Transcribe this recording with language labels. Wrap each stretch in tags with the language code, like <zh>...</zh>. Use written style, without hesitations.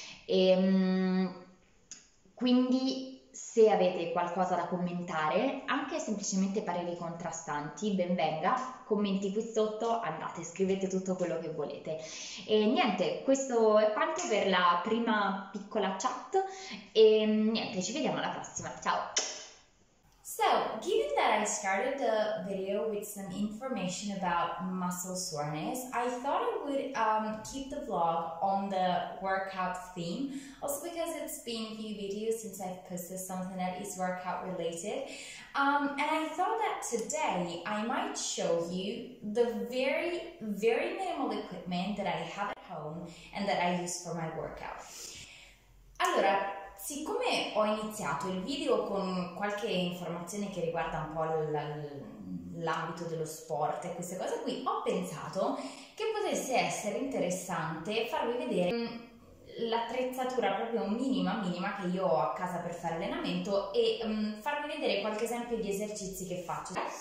<it>E quindi se avete qualcosa da commentare, anche semplicemente pareri contrastanti, ben venga, commenti qui sotto, andate, scrivete tutto quello che volete. E niente, questo è quanto per la prima piccola chat, e niente, ci vediamo alla prossima, ciao!</it> <en>So, given that I started the video with some information about muscle soreness, I thought I would keep the vlog on the workout theme, also because it's been a few videos since I've posted something that is workout related. And I thought that today I might show you the very, very minimal equipment that I have at home and that I use for my workout.</en> <it>Allora, siccome ho iniziato il video con qualche informazione che riguarda un po' l'ambito dello sport e queste cose qui, ho pensato che potesse essere interessante farvi vedere l'attrezzatura proprio minima che io ho a casa per fare allenamento e farvi vedere qualche esempio di esercizi che faccio.</it>